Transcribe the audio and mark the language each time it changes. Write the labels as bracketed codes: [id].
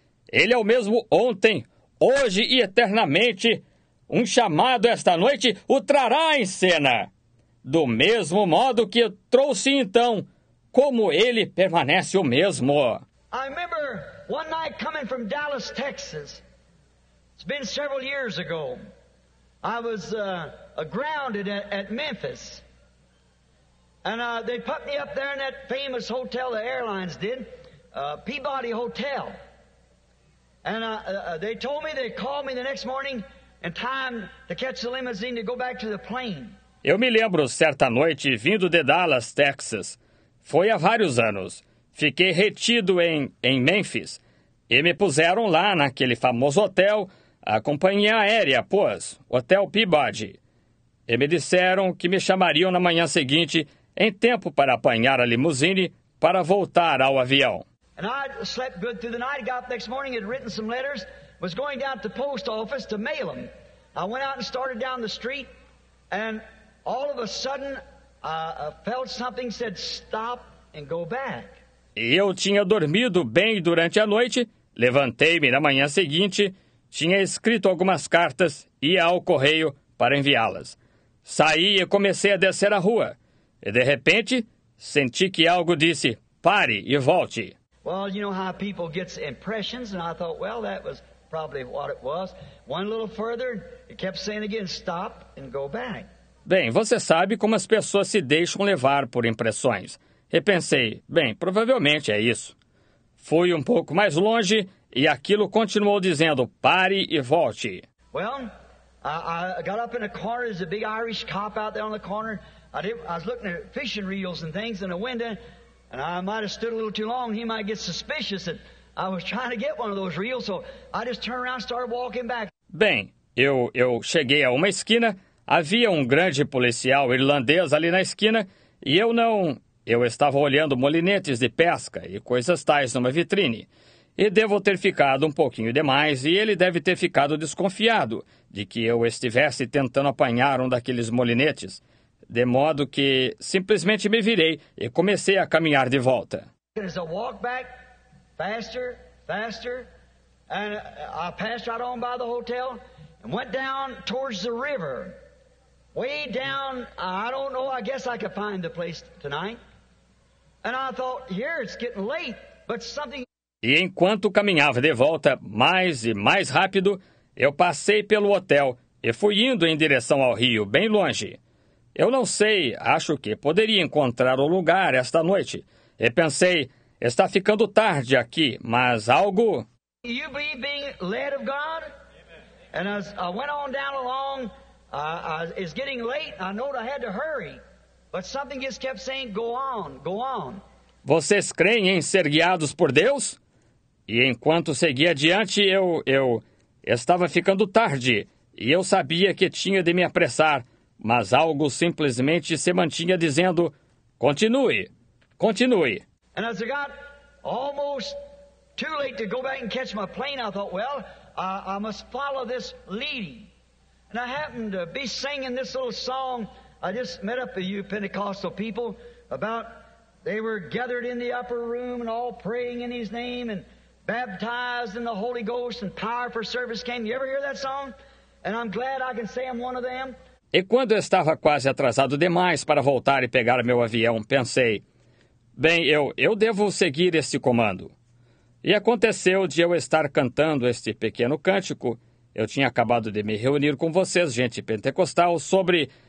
[pt] Ele é o mesmo ontem, hoje e eternamente. Um chamado esta noite o trará em cena. Do mesmo modo que trouxe então, como ele permanece o mesmo. [en] I remember one night coming from Dallas, Texas. It's been several years ago. I was grounded at Memphis, and they put me up there in that famous hotel the airlines did, Peabody Hotel. And they told me, they called me the next morning in time to catch the limousine to go back to the plane. [pt] Eu me lembro certa noite vindo de Dallas, Texas. Foi há vários anos. Fiquei retido em Memphis, e me puseram lá naquele famoso hotel. A companhia aérea, pois, Hotel Peabody. E me disseram que me chamariam na manhã seguinte, em tempo para apanhar a limusine, para voltar ao avião. [en] And I slept good through the night, got up the next morning, had written some letters, was going down to the post office to mail them. I went out and started down the street, and all of a sudden, I felt something said, stop and go back. [pt] E eu tinha dormido bem durante a noite, levantei-me na manhã seguinte, tinha escrito algumas cartas, ia ao correio para enviá-las. Saí e comecei a descer a rua. E, de repente, senti que algo disse, pare e volte. [en] Well, you know how people get impressions, and I thought, well, that was probably what it was. One little further, he kept saying again, stop and go back. [pt] Bem, você sabe como as pessoas se deixam levar por impressões. Repensei, bem, provavelmente é isso. Fui um pouco mais longe e aquilo continuou dizendo, pare e volte. [en] Well, I got up in a corner, there's a big Irish cop out there on the corner. I was looking at fishing reels and things in a window, and I might have stood a little too long. He might get suspicious that I was trying to get one of those reels, so I just turned around and started walking back. [pt] Bem, eu cheguei a uma esquina. Havia um grande policial irlandês ali na esquina e eu não... Eu estava olhando molinetes de pesca e coisas tais numa vitrine. E devo ter ficado um pouquinho demais e ele deve ter ficado desconfiado de que eu estivesse tentando apanhar um daqueles molinetes. De modo que simplesmente me virei e comecei a caminhar de volta. [en] As I walk back, faster, faster, and I passed right on by the hotel and went down towards the river. Way down, I don't know, I guess I could find the place tonight. And I thought, here, it's getting late, but something... [pt] E enquanto caminhava de volta, mais e mais rápido, eu passei pelo hotel e fui indo em direção ao rio, bem longe. Eu não sei, acho que poderia encontrar o lugar esta noite. E pensei, está ficando tarde aqui, mas algo... [en] You be being led of God? And as I went on down along... It's getting late. I know I had to hurry, but something just kept saying, go on, go on. [pt] Vocês creem em ser guiados por Deus? E enquanto seguia adiante, eu estava ficando tarde, e eu sabia que tinha de me apressar, mas algo simplesmente se mantinha dizendo, continue, continue. [en] And as I got almost too late to go back and catch my plane, I thought, well, I must follow this leading. And I happened to be singing this little song. I just met up with you Pentecostal people about they were gathered in the upper room and all praying in his name and baptized in the Holy Ghost and power for service came. You ever hear that song? And I'm glad I can say I'm one of them. [pt] E quando eu estava quase atrasado demais para voltar e pegar meu avião, pensei, bem, eu devo seguir este comando. E aconteceu de eu estar cantando este pequeno cântico. Eu tinha acabado de me reunir com vocês, gente pentecostal, sobre...